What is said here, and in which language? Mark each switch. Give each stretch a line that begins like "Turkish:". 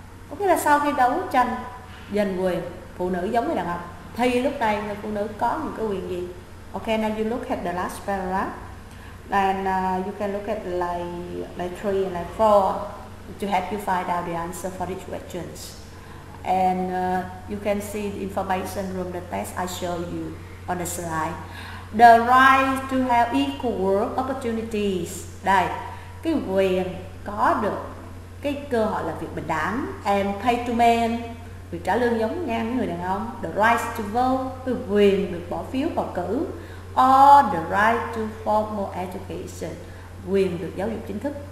Vietnamese: Có nghĩa là sau khi đấu tranh giành quyền phụ nữ giống như đàn ông, thì lúc này người phụ nữ có những cái quyền gì?
English: Ok, now you look at the last paragraph. And you can look at like 3 and like 4 to help you find out the answer for these questions. And you can see the information from the text I show you on the slide. The right to have equal work opportunities.
Vietnamese: Đây, cái quyền có được cái cơ hội làm việc bình đẳng.
English: And pay to men,
Vietnamese: việc trả lương giống nhau với người đàn ông.
English: The right to vote,
Vietnamese: cái quyền được bỏ phiếu bầu cử.
English: Or the right to formal education,
Vietnamese: quyền được giáo dục chính thức.